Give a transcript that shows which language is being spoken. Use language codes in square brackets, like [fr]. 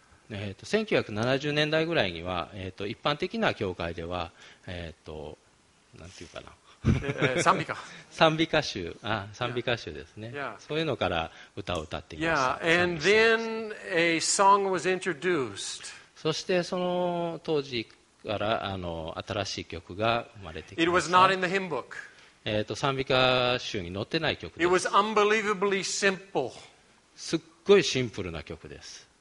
[ja] 1970年代ぐらいには、一般的な教会では、なんていうかな、賛美歌。賛美歌集、賛美歌集ですね。 [en] Yeah. [ja] そういうのから歌を歌っていました。 [en] Yeah. And then a song was introduced. [ja] そしてその当時から新しい曲が生まれてきました。 [en] It was not in the hymn book. [ja] 賛美歌集に載ってない曲です。 [en] It was unbelievably simple. [ja] すっごいシンプルな曲です。